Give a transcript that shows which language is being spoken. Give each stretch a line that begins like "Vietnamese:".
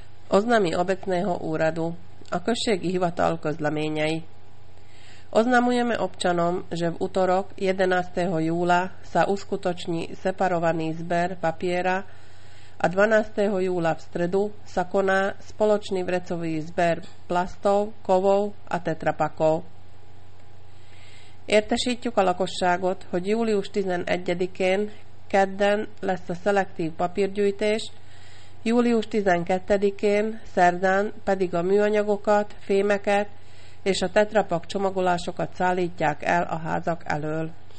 Slovak: Oznami obecného úradu
Hungarian: a községi hivatal közleményei.
Slovak: Oznamujeme občanom, že v utorok 11. júla sa uskutoční separovaný zber papiera a 12. júla v stredu sa koná spoločný vrecový zber plastov, kovov a tetrapakov.
Hungarian: Értesítjük a lakosságot, hogy július 11-én kedden lesz a szelektív papírgyűjtés, július 12-én szerdán pedig a műanyagokat, fémeket és a tetrapak csomagolásokat szállítják el a házak elől.